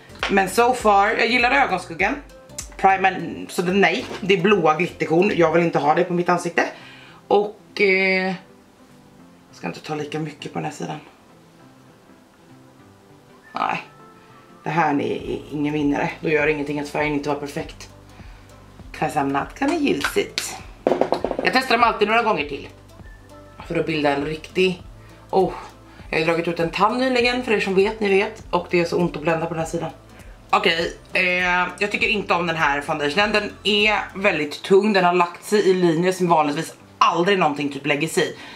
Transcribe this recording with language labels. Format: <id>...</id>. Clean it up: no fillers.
<sv>Men so far, jag gillar ögonskuggen. Primer, så den, nej, det är blåa glitterkorn, jag vill inte ha det på mitt ansikte. Och jag ska inte ta lika mycket på den här sidan. Nej. Det här är ingen vinnare. Då gör det ingenting att färgen inte var perfekt.</sv> <en>Cause I'm not gonna use it.</en> <sv>Jag testar dem alltid några gånger till. För att bilda en riktig... Oh, jag har dragit ut en tand nyligen, för er som vet, ni vet. Och det är så ont att blända på den här sidan. Okej, jag tycker inte om den här foundationen. Den är väldigt tung. Den har lagt sig i linjer som vanligtvis aldrig någonting typ lägger sig i.</sv>